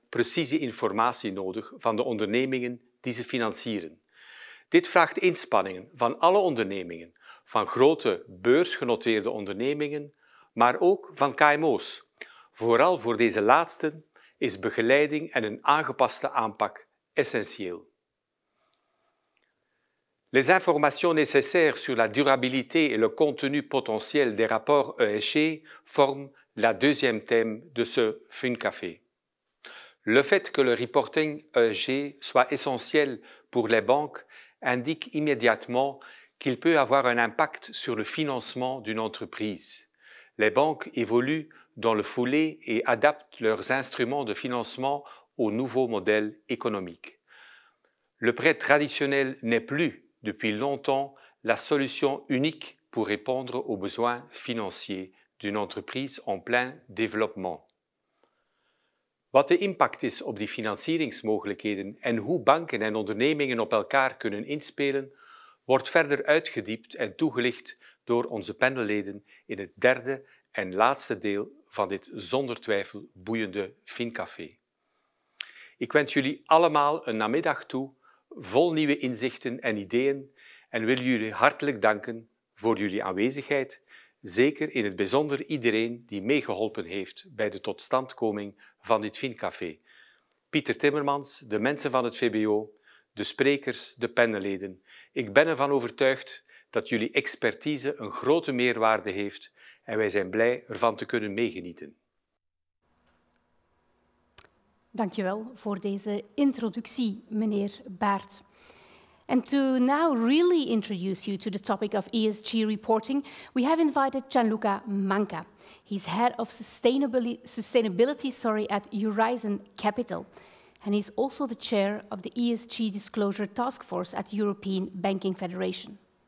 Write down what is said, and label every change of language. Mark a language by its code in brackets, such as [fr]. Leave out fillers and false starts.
[nl] precieze informatie nodig van de ondernemingen die ze financieren. Dit vraagt inspanningen van alle ondernemingen, van grote beursgenoteerde ondernemingen, maar ook van KMO's. Vooral voor deze laatste is begeleiding en een aangepaste aanpak essentieel. [fr] Les informations nécessaires sur la durabilité et le contenu potentiel des rapports ESG forment la deuxième thème de ce FinCafé. Le fait que le reporting ESG soit essentiel pour les banques indique immédiatement qu'il peut avoir un impact sur le financement d'une entreprise. Les banques évoluent dans le foulé et adaptent leurs instruments de financement aux nouveaux modèles économiques. Le prêt traditionnel n'est plus, depuis longtemps, la solution unique pour répondre aux besoins financiers d'une entreprise en plein développement. [nl] Wat de impact is op die financieringsmogelijkheden en hoe banken en ondernemingen op elkaar kunnen inspelen, wordt verder uitgediept en toegelicht door onze panelleden in het derde en laatste deel van dit zonder twijfel boeiende FinCafé. Ik wens jullie allemaal een namiddag toe, vol nieuwe inzichten en ideeën, en wil jullie hartelijk danken voor jullie aanwezigheid, zeker in het bijzonder iedereen die meegeholpen heeft bij de totstandkoming van dit FinCafé. Pieter Timmermans, de mensen van het VBO, de sprekers, de panelleden. Ik ben ervan overtuigd dat jullie expertise een grote meerwaarde heeft en wij zijn blij ervan te kunnen meegenieten. Dankjewel voor deze introductie, meneer Baert. [en] And to now really introduce you to the topic of ESG reporting, we have invited Gianluca Manca. He's head of sustainability at Eurizon Capital. And he's also the chair of the ESG Disclosure Task Force at European Banking Federation.